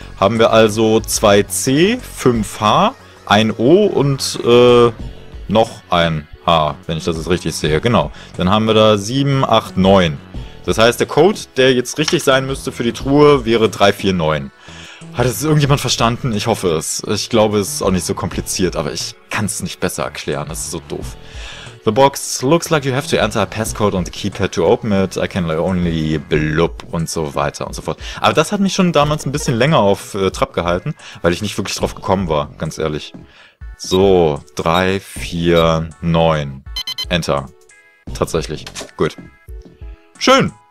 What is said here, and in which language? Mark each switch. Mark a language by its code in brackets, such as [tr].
[de] Haben wir also 2C5H, 1O und noch ein H, wenn ich das jetzt richtig sehe. Genau. Dann haben wir da 7, 8, 9. Das heißt, der Code, der jetzt richtig sein müsste für die Truhe, wäre 349. Hat es irgendjemand verstanden? Ich hoffe es. Ich glaube, es ist auch nicht so kompliziert, aber ich kann es nicht besser erklären. Das ist so doof. [en] The box looks like you have to enter a passcode on the keypad to open it. I can only blub [de] und so weiter und so fort. Aber das hat mich schon damals ein bisschen länger auf Trab gehalten, weil ich nicht wirklich drauf gekommen war, ganz ehrlich. So, 3, 4, 9. Enter. Tatsächlich. Gut. Schön.